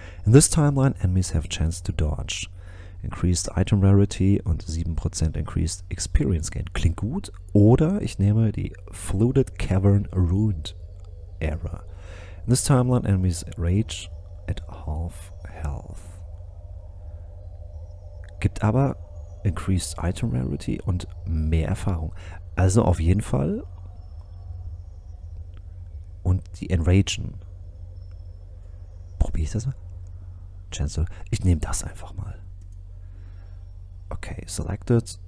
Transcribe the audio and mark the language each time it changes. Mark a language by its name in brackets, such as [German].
[English] In this timeline, enemies have a chance to dodge. Increased item rarity und 7% increased experience gain. [German] Klingt gut. Oder ich nehme die Fluted Cavern Ruined Era. [English] In this timeline, enemies rage at half health. [German] Gibt aber [English] increased item rarity [German] und mehr Erfahrung. Also auf jeden Fall. Und die Enragen. Probiere ich das mal? Chancellor. Ich nehme das einfach mal. Okay, selected.